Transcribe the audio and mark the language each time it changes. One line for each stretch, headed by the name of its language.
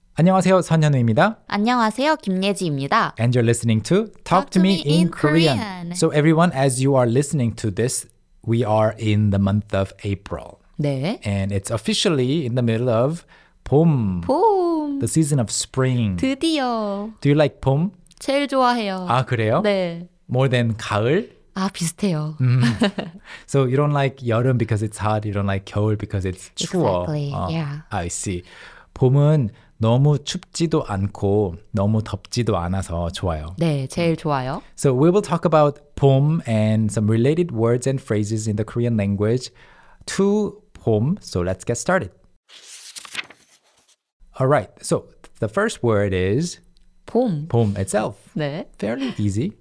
Korean: 안녕하세요, 선현우입니다. 안녕하세요, 김예지입니다.
English: And you're listening to Talk to Me in Korean. So everyone, as you are listening to this, we are in the month of April.
Korean: 네.
English: And it's officially in the middle of 봄.
Korean: 봄.
English: The season of spring.
Korean: 드디어.
English: Do you like 봄?
Korean: 제일 좋아해요. 아, 그래요? 네.
English: More than 가을?
Korean: 아, 비슷해요.
English: So you don't like 여름 because it's hot. You don't like 겨울 because it's 추워. Exactly, yeah. I see.
Korean: 봄은 너무 춥지도 않고 너무 덥지도 않아서 좋아요. 네, 제일 좋아요.
English: So we will talk about 봄 and some related words and phrases in the Korean language to 봄. So let's get started. All right, so the first word is
Korean: 봄.
English: 봄 itself.
Korean: 네.
English: Fairly easy.